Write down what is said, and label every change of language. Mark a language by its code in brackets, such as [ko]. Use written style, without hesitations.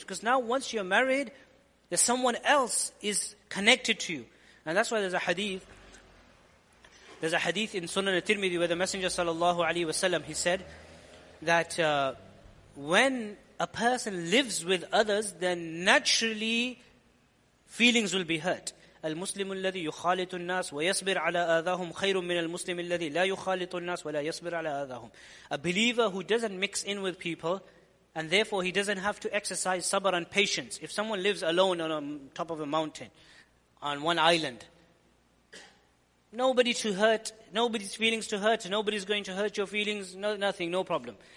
[en] Because now once you're married, there's someone else is connected to you. And that's why there's a hadith in Sunan al-Tirmidhi where the Messenger sallallahu alaihi wasallam, he said that when a person lives with others, then naturally feelings will be hurt. [ar] المسلم الذي يخالط الناس ويصبر على آذاهم خير من المسلم الذي لا يخالط الناس ولا يصبر على آذاهم. [en] A believer who doesn't mix in with people, and therefore he doesn't have to exercise sabr and patience. If someone lives alone on top of a mountain, on one island, nobody to hurt, nobody's feelings to hurt, nobody's going to hurt your feelings, no, nothing, no problem.